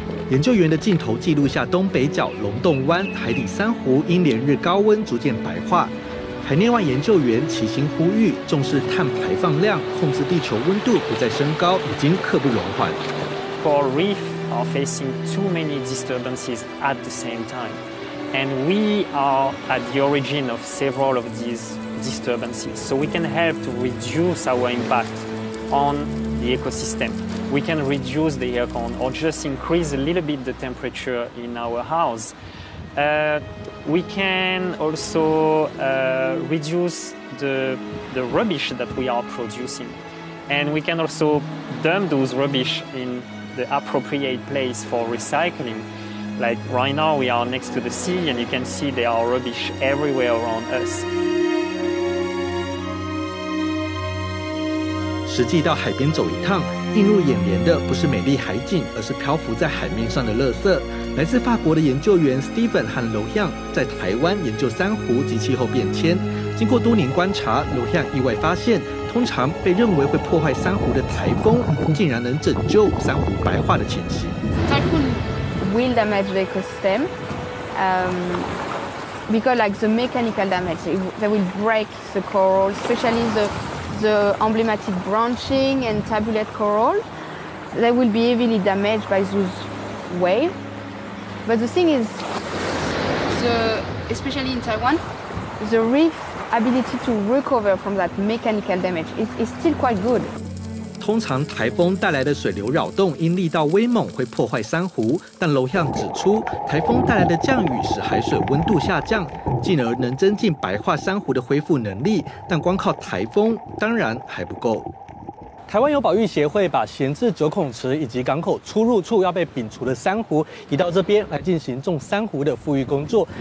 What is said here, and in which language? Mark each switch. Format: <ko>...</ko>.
<zh>研究员的镜头记录下东北角龙洞湾海底珊瑚因连日高温逐渐白化，海内外研究员齐心呼吁重视碳排放量，控制地球温度不再升高已经刻不容缓。</zh> <en>Coral reefs are facing too many disturbances at the same time, and we are at the origin of several of these disturbances, so we can help to reduce our impact on the ecosystem. We can reduce the aircon or just increase a little bit the temperature in our house. We can also reduce the rubbish that we are producing. And we can also dump those rubbish in the appropriate place for recycling. Like right now we are next to the sea and you can see there are rubbish everywhere around us.</en> <zh>实际到海边走一趟，映入眼帘的不是美丽海景，而是漂浮在海面上的垃圾。来自法国的研究员 Steven 和 Lo Hyang 在台湾研究珊瑚及气候变迁，经过多年观察， Lo Hyang 意外发现，通常被认为会破坏珊瑚的台风竟然能拯救珊瑚白化的情形。</zh> <en>Typhoon will damage the ecosystem because like the mechanical damage, they will break the coral, especially the emblematic branching and tabulate coral, they will be heavily damaged by those waves. But the thing is, especially in Taiwan, the reef's ability to recover from that mechanical damage is still quite good.</en> <zh>通常台风带来的水流扰动因力道威猛会破坏珊瑚，但楼向指出，台风带来的降雨使海水温度下降，进而能增进白化珊瑚的恢复能力，但光靠台风当然还不够。台湾有保育协会把闲置九孔池以及港口出入处要被摒除的珊瑚移到这边来进行种珊瑚的复育工作。</zh>